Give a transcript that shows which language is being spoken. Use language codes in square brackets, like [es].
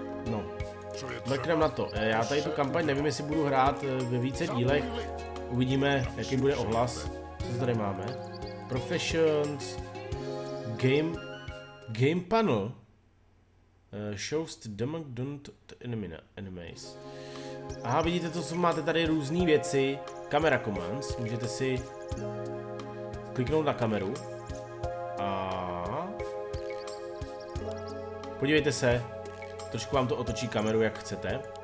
[cs] No, mrknem na to, já tady tu kampaň nevím, jestli budu hrát ve více dílech, uvidíme, jaký bude ohlas, co tady máme. [en] Professions, game panel, shows the damage done to enemies. [cs] Aha, vidíte to, co máte tady různé věci. Kamera commands, můžete si kliknout na kameru a podívejte se, trošku vám to otočí kameru, jak chcete.